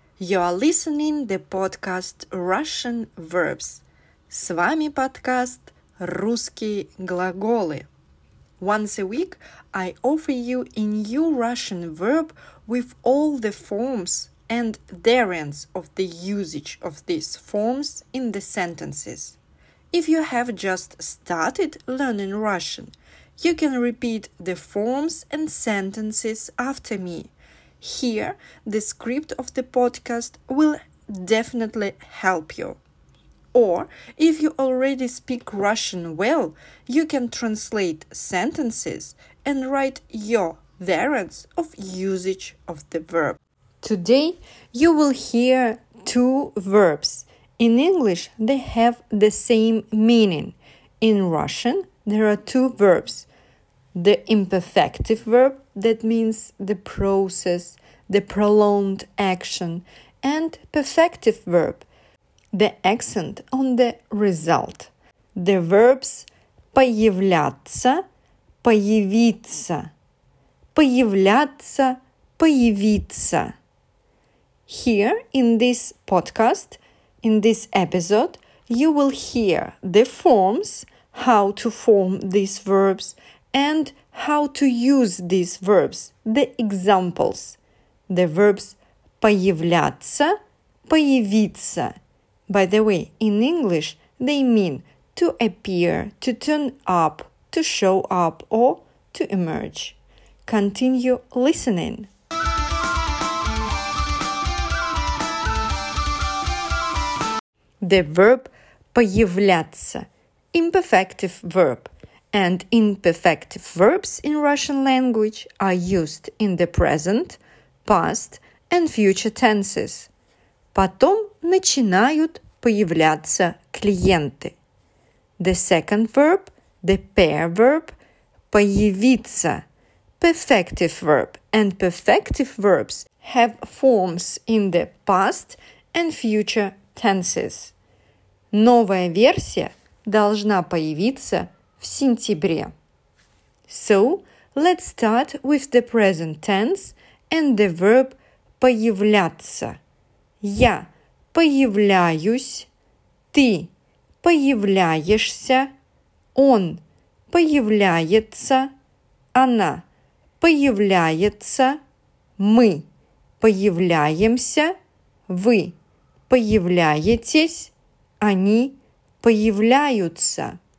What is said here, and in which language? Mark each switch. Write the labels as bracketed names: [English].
[English] You are listening to the podcast Russian Verbs. [Russian] С вами подкаст «Русские глаголы». [English] Once a week, I offer you a new Russian verb with all the forms and variants of the usage of these forms in the sentences. If you have just started learning Russian, you can repeat the forms and sentences after me. Here, the script of the podcast will definitely help you. Or, if you already speak Russian well, you can translate sentences and write your variants of usage of the verb. Today, you will hear two verbs. In English, they have the same meaning. In Russian, there are two verbs. The imperfective verb, that means the process, the prolonged action, and perfective verb, the accent on the result. The verbs [Russian] появляться, появиться, появляться, появиться. [English] Here in this podcast, in this episode, you will hear the forms, how to form these verbs, and how to use these verbs, the examples. The verbs [Russian] появляться, появиться. [English] By the way, in English, they mean to appear, to turn up, to show up, or to emerge. Continue listening. The verb появляться, imperfective verb. And imperfective verbs in Russian language are used in the present, past, and future tenses. [Russian] Потом начинают появляться клиенты. [English] The second verb, the pair verb, появиться, perfective verb. And perfective verbs have forms in the past and future tenses. [Russian] Новая версия должна появиться в сентябре. [English] So, let's start with the present tense and the verb появляться. [Russian] Я появляюсь, ты появляешься, он появляется, она появляется, мы появляемся, вы появляетесь, они появляются.